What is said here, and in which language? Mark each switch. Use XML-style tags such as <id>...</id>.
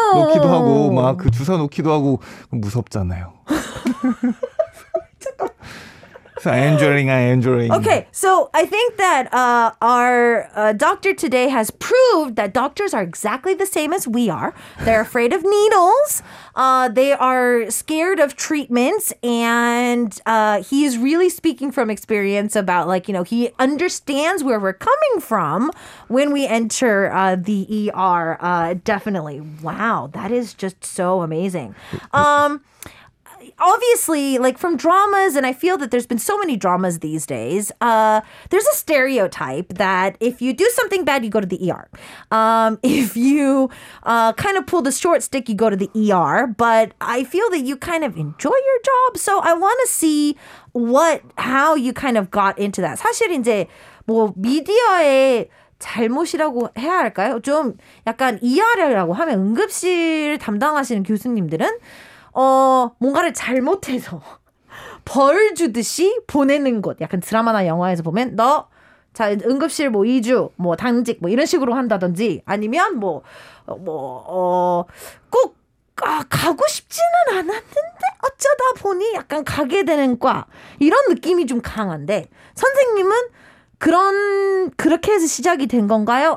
<ko>놓기도 하고 막 그 주사 놓기도 하고 무섭잖아요.</ko> <en>So I'm enduring. Okay, so I think that our doctor today has proved that doctors are exactly the same as we are. They're afraid of needles. They are scared of treatments. And he is really speaking from experience about, like, you know, he understands where we're coming from when we enter the ER. Definitely. Wow, that is just so amazing. Obviously, like from dramas, and I feel that there's been so many dramas these days, there's a stereotype that if you do something bad, you go to the ER. If you kind of pull the short stick, you go to the ER. But I feel that you kind of enjoy your job. So I want to see how you kind of got into that.</en> <ko>사실 이제 뭐 미디어의 잘못이라고 해야 할까요? 좀 약간 ER이라고 하면 응급실 담당하시는 교수님들은 뭔가를 잘못해서 벌 주듯이 보내는 것. 약간 드라마나 영화에서 보면 너 자 응급실 뭐 2주 뭐 당직 뭐 이런 식으로 한다든지 아니면 가고 싶지는 않았는데 어쩌다 보니 약간 가게 되는 과 이런 느낌이 좀 강한데 선생님은 그렇게 해서 시작이 된 건가요?</ko>